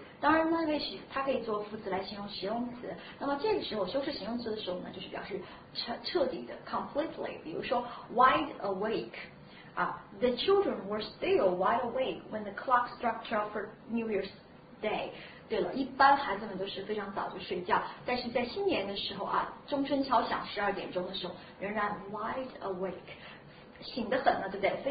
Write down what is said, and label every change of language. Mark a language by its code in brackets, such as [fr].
[zh] 当然呢，它可以做副词来形容形容词。那么这个时候修饰形容词的时候呢，就是表示彻底的 completely。比如说 [en] wide awake， 啊 ，the children were still wide awake when the clock struck 12 for New Year's Day。 [zh] 对了，一般孩子们都是非常早就睡觉，但是在新年的时候啊，钟声敲响十二点钟的时候，仍然 [en] wide awake， [zh] 醒得很了，对不对？